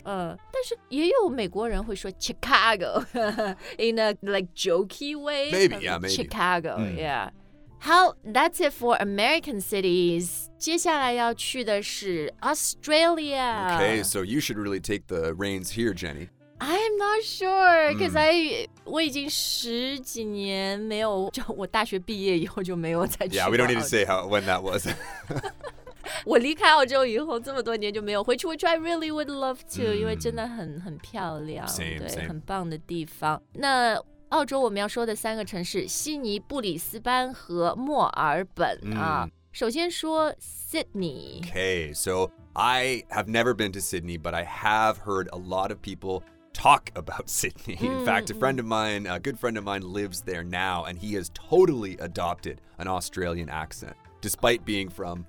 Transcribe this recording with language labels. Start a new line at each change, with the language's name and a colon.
Chinese: 但是也有美国人会说 Chicago
English: in a like jokey way. Maybe, yeah, maybe. Chicago,、mm. yeah. 好 that's it for American cities.
Chinese: 接下来要去的是 Australia.
English: Okay, so you should really take the reins here, Jenny. I'm not sure, because、mm.
Chinese: 我已经十几年没有，就我大学毕业以后就没有再去过澳洲。
English: Yeah, we don't need to say when that was.
Chinese: 我离开澳洲以后这么多年就没有回去
English: which I really would love to,、
Chinese: mm. 因为真的很漂亮。
English: Same,
Chinese: 对
English: same.
Chinese: 很棒的地方。那澳洲我们要说的三个城市，悉尼、布里斯班和墨尔本、mm. 啊。首先说 Sydney.
English: Okay, so I have never been to Sydney, but I have heard a lot of people... talk about Sydney. In fact, a good friend of mine lives there now, and he has totally adopted an Australian accent, despite being from